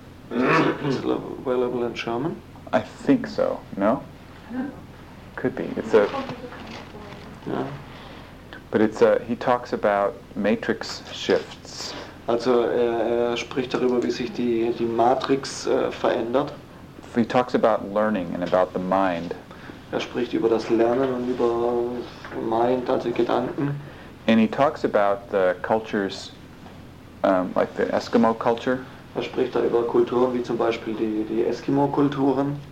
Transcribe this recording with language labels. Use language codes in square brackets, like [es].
[en] Is it available in German? I think so. No? Could be. It's a. Yeah. But it's a. He talks about matrix shifts. [de] Also er spricht darüber, wie sich die Matrix verändert. [en] He talks about learning and about the mind. [de] Er spricht über das Lernen und über Mind, also Gedanken. [en] And he talks about the cultures. Like the Eskimo culture. [de] Er spricht da über Kulturen wie zum Beispiel die Eskimo-Kulturen.